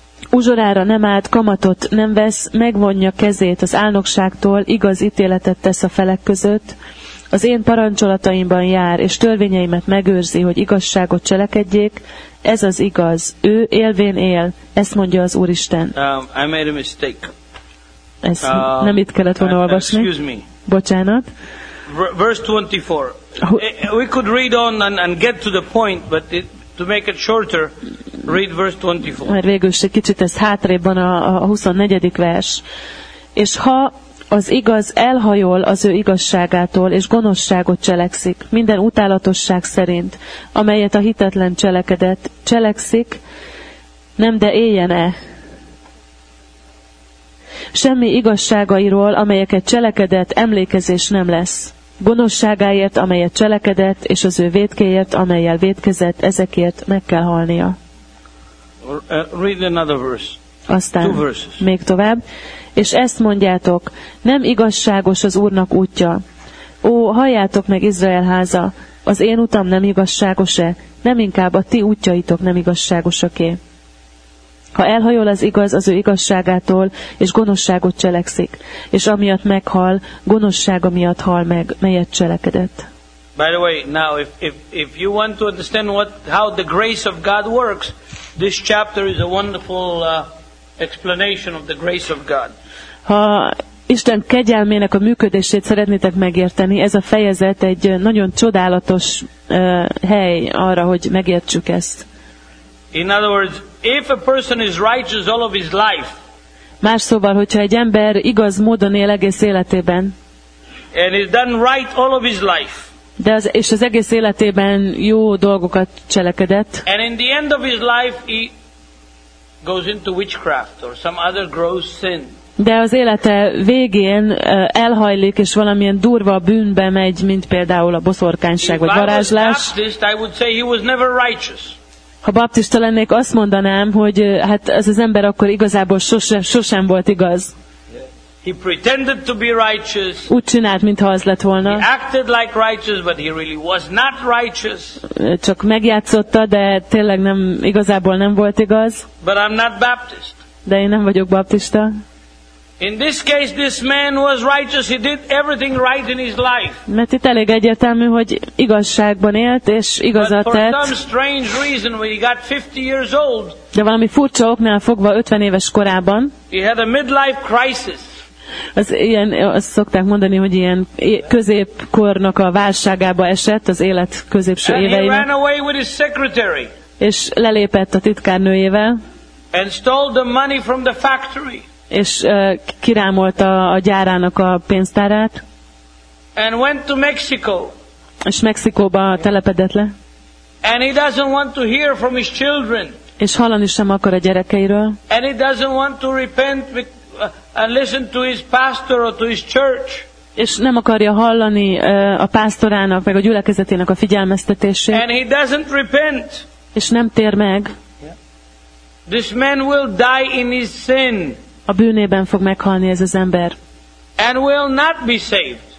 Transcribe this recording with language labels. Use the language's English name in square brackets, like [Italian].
[Hungarian] uzsorára nem állt, kamatot nem vesz, megvonja kezét az álnokságtól, igaz ítéletet tesz a felek között, az én parancsolataimban jár, és törvényeimet megőrzi, hogy igazságot cselekedjék, ez az igaz, ő élvén él, ezt mondja az Úristen. [English] I made a mistake. [Hungarian] Ezt nem itt kellett volna olvasni. [English] Excuse me. [Hungarian] Bocsánat. [English] Verse 24. We could read on and get to the point, but to make it shorter, read verse 24. [Hungarian] Mert végül is egy kicsit ez hátrébb van a 24. vers. És ha az igaz elhajol az ő igazságától, és gonoszságot cselekszik, minden utálatosság szerint, amelyet a hitetlen cselekedett, cselekszik, nem de éljen-e? Semmi igazságairól, amelyeket cselekedett, emlékezés nem lesz. Gonoszságáért, amelyet cselekedett, és az ő vétkéért, amelyel vétkezett, ezekért meg kell halnia. [English] Read another verse. [Hungarian] Aztán [English] two verses. [Hungarian] Még tovább. És ezt mondjátok, nem igazságos az Úrnak útja. Ó, halljátok meg Izrael háza, az én utam nem igazságos-e, nem inkább a ti útjaitok nem igazságosaké. Ha elhajol az igaz az ő igazságától, és gonoszságot cselekszik, és amiatt meghal, gonoszsága miatt hal meg, melyet cselekedett. [English] By the way, now if you want to understand how the grace of God works, this chapter is a wonderful explanation of the grace of God. [Hungarian] Ha Isten kegyelmének a működését szeretnétek megérteni, ez a fejezet egy nagyon csodálatos hely arra, hogy megértsük ezt. [English] In other words, if a person is righteous all of his life. [Hungarian] Más szóval, hogyha egy ember igaz módon él egész életében. [English] And he's done right all of his life. [Hungarian] De az, és az egész életében jó dolgokat cselekedett. [English] And in the end of his life he goes into witchcraft or some other gross sin. [Hungarian] De az élete végén elhajlik és valamilyen durva bűnbe megy, mint például a boszorkányság vagy varázslás. [English] If I was Baptist, I would say he was never righteous. [Hungarian] Ha baptista lennék, azt mondanám, hogy hát ez az ember akkor igazából sosem volt igaz. [English] He pretended to be righteous. [Hungarian] Úgy csinált, mintha az lett volna. [English] He acted like righteous, but he really was not righteous. [Hungarian] Csak megjátszotta, de tényleg nem, igazából nem volt igaz. [English] But I'm not Baptist. [Hungarian] De én nem vagyok baptista. [English] In this case, this man was righteous. He did everything right in his life. [Hungarian] Mert itt elég egyértelmű, hogy igazságban élt és igazat tett. [English] But for some strange reason, when he got 50 years old. [Hungarian] De valami furcsa oknál fogva 50 éves korában. [English] He had a midlife crisis. [Hungarian] Az ilyen, azt szokták mondani, hogy ilyen középkornak a válságába esett az élet középső éveiben. [English] And he ran away with his secretary. [Hungarian] És lelépett a titkárnőjével. [English] And stole the money from the factory. [Hungarian] És kirámolta a gyárának a pénztárát. [English] And went to Mexico. [Hungarian] És Mexikóba telepedett le. [English] And he doesn't want to hear from his children. [Hungarian] És hallani sem akar a gyerekeiről. [English] And he doesn't want to repent and listen to his pastor or to his church. [Hungarian] És nem akarja hallani a pásztorának meg a gyülekezetének a figyelmeztetését. [English] And he doesn't repent. [Hungarian] És nem tér meg. [English] This man will die in his sin. [Hungarian] A bűnében fog meghalni ez az ember. [English] And will not be saved.